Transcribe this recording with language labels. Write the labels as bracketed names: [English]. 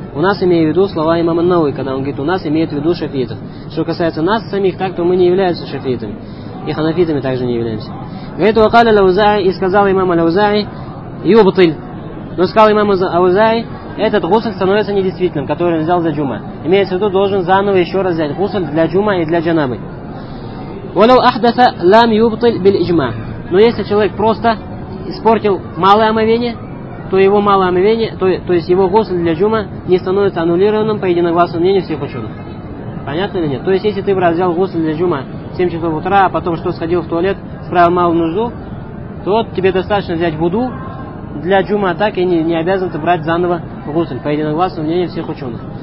[Russian] У нас имеет в виду слова имама Ан-Науи, когда он говорит, у нас имеет в виду шафиитов. Что касается нас самих, так, то мы не являемся шафиитами. И ханафитами также не являемся. Говорит, [Arabic] وقال الأوزاعي, [Russian] и сказал имам الأوزاعي, [Arabic] يبطل. [Russian] Но сказал имам الأوزاعي, этот гусль становится недействительным, который он взял за джума. Имеется в виду, должен заново еще раз взять гусль для джума и для джанабы. [Arabic] ولو أحدث لم يبطل بالإجماع. [Russian] Но если человек просто испортил малое омовение, то его малое омовение, то есть его гусль для джума не становится аннулированным по единогласному мнению всех ученых. Понятно или нет? То есть, если ты взял гусль для джума в 7 часов утра, а потом что, сходил в туалет, справил малую нужду, то вот тебе достаточно взять вуду для джума, так и не обязан ты брать заново гусль по единогласному мнению всех ученых.